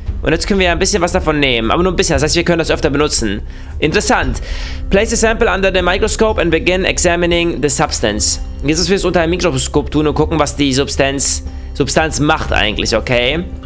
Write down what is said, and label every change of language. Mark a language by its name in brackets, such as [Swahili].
[German] Und jetzt können wir ein bisschen was davon nehmen. Aber nur ein bisschen. Das heißt, wir können das öfter benutzen. Interessant. [English] Place a sample under the microscope and begin examining the substance. [German] Jetzt müssen wir es unter einem Mikroskop tun und gucken, was die Substanz macht eigentlich, okay.